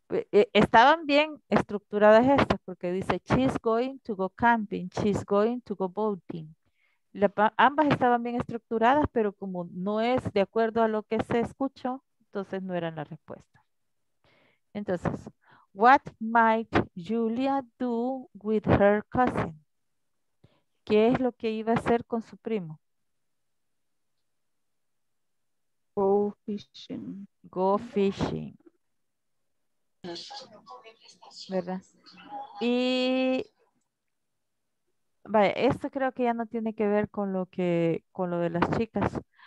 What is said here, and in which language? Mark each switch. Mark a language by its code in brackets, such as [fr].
[es] Estaban bien estructuradas estas porque dice [en] she's going to go camping, she's going to go boating. [es] Ambas estaban bien estructuradas, pero como no es de acuerdo a lo que se escuchó, entonces no eran la respuesta. [en] Entonces, what might Julia do with her cousin? [es] ¿Qué es lo que iba a hacer con su primo? [en] Go fishing. Go fishing. [es] ¿Verdad? Y vaya, esto creo que ya no tiene que ver con lo que, con lo de las chicas.